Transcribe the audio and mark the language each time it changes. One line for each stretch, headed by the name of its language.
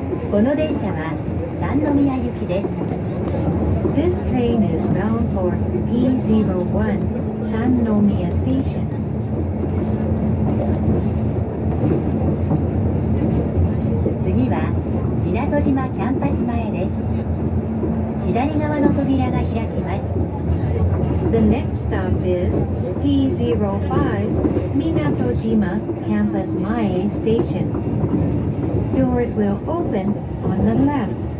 Japanese: この電車は三宮行きです。
English: This train is bound for P01 三宮 station.
Japanese: 次は港島キャンパス前です。左側の扉が開きます。
English: The next stop is P05 港島キャンパス前 station. Doors will open on the left.